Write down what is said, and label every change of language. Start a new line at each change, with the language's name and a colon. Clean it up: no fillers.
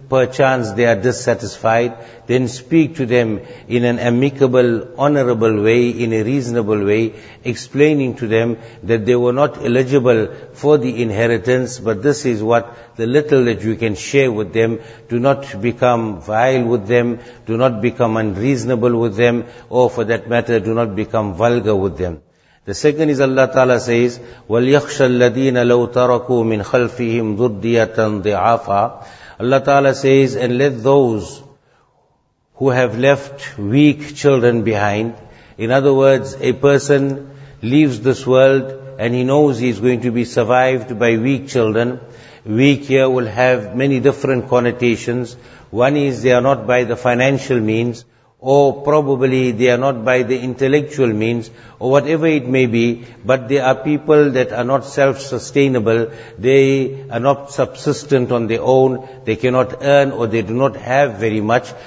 English: perchance they are dissatisfied, then speak to them in an amicable, honorable way, in a reasonable way, explaining to them that they were not eligible for the inheritance, but this is what the little that you can share with them. Do not become vile with them, do not become unreasonable with them, or for that matter, do not become vulgar with them. The second is Allah Ta'ala says,
Arabic: وَلْيَخْشَ الَّذِينَ لَوْ تَرَكُوا مِنْ خَلْفِهِمْ ذُرِّيَّةً ضِعَافًا.
English: Allah Ta'ala says, and let those who have left weak children behind. In other words, a person leaves this world and he knows he is going to be survived by weak children. Weak here will have many different connotations. One is they are not by the financial means, or probably they are not by the intellectual means, or whatever it may be, but they are people that are not self-sustainable, they are not subsistent on their own, they cannot earn, or they do not have very much.